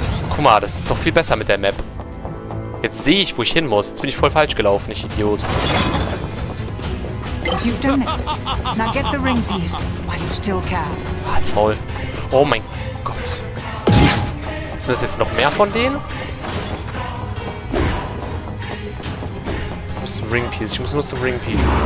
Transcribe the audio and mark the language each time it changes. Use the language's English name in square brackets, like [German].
[German] Guck mal, das ist doch viel besser mit der Map. Jetzt sehe ich, wo ich hin muss. Jetzt bin ich voll falsch gelaufen, ich Idiot. [English] You've done it. Now get the ring piece while you still can. [German] Halt's Maul. Oh mein Gott. Sind das jetzt noch mehr von denen? Ich muss zum Ring Piece. Ich muss nur zum Ring Piece.